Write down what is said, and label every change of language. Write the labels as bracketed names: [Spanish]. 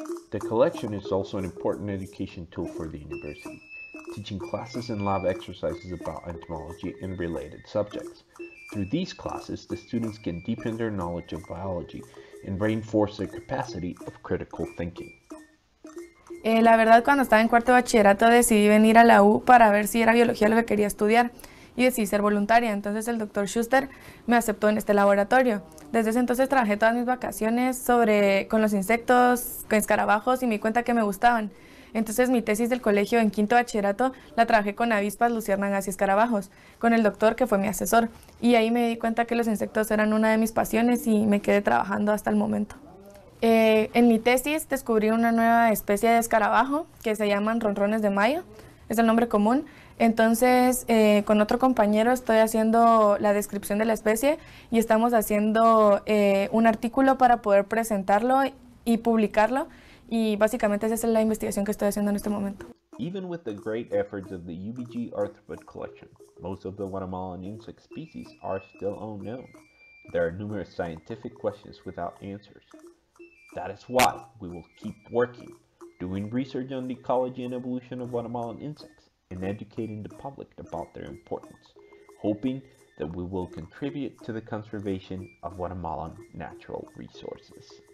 [English] The collection is also an important education tool for the university, teaching classes and lab exercises about entomology and related subjects. Through these classes, the students can deepen their knowledge of biology and reinforce their capacity of critical thinking. [Spanish] La verdad, cuando estaba en cuarto bachillerato, decidí venir a la U para ver si era biología lo que quería estudiar y decidí ser voluntaria. Entonces el doctor Schuster me aceptó en este laboratorio. Desde ese entonces trabajé todas mis vacaciones con los insectos, con escarabajos y me di cuenta que me gustaban. Entonces mi tesis del colegio en quinto bachillerato la trabajé con avispas, luciérnagas y escarabajos, con el doctor que fue mi asesor. Y ahí me di cuenta que los insectos eran una de mis pasiones y me quedé trabajando hasta el momento. En mi tesis descubrí una nueva especie de escarabajo que se llaman ronrones de mayo, es el nombre común. Entonces, con otro compañero estoy haciendo la descripción de la especie y estamos haciendo un artículo para poder presentarlo y publicarlo. Y básicamente esa es la investigación que estoy haciendo en este momento. [English] Even with the great efforts of the UBG arthropod collection, most of the Guatemalan insect species are still unknown. There are numerous scientific questions without answers. That is why we will keep working, doing research on the ecology and evolution of Guatemalan insects, and educating the public about their importance, hoping that we will contribute to the conservation of Guatemalan natural resources.